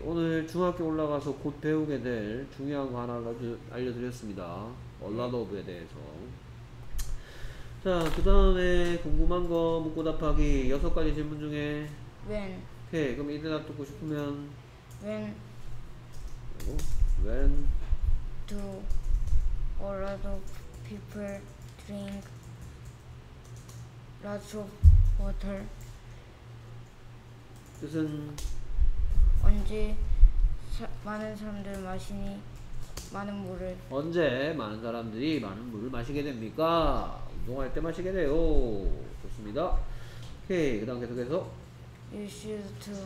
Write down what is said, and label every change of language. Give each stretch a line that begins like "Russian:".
Korean: 오늘 중학교 올라가서 곧 배우게 될 중요한 거 하나 알려드렸습니다. a lot of에 대해서. 자, 그 다음에 궁금한 거 묻고 답하기 6가지 질문 중에.
English: When?
Korean: 오케이. 그럼 이 대답 듣고 싶으면
English: When when do a lot of people drink lots of water?
Korean: 뜻은 언제 많은 사람들 마시니 많은 물을 언제 많은 사람들이 많은 물을 마시게 됩니까? 운동할 때 마시게 돼요. 좋습니다. 오케이, 그 다음 계속해서
English: You should too.